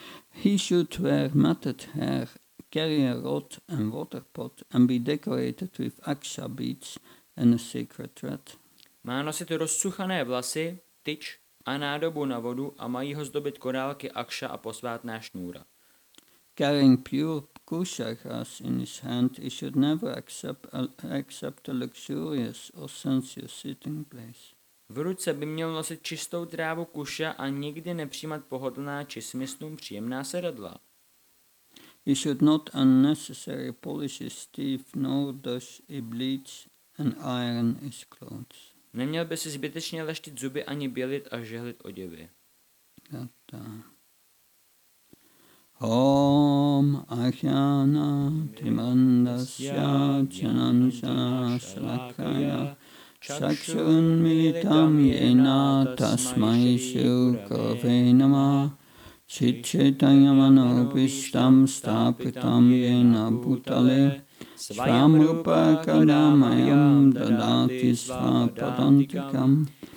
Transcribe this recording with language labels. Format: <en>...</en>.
<en>He should wear matted hair, carry a rod and water pot and be decorated with aksha beads and a sacred thread.</en> <cs>Má nosit rozsuchané vlasy, tyč a nádobu na vodu a mají ho zdobit korálky akša a posvátná šňůra.</cs> <en>Carrying pure kusha grass in his hand, he should never accept a luxurious or sensuous sitting place.</en> <cs>V ruce by měl nosit čistou trávu kuša a nikdy nepřijímat pohodlná či smyslům příjemná sedadla.</cs> <en>He should not unnecessarily polish his teeth, nor does he bleach and iron his clothes.</en> <cs>Neměl by si zbytečně leštit zuby ani bělit a žehlit oděvy.</cs> <sa>Gata. Om Ajana Timandasya Chananjana Shalakaya Chakshun Militam Yena Tasmai Shukave Nama Chichitanya Manopishtam Stapitam Yena Bhutale Svayam rupa kadamayam dadati svapadantikam</sa>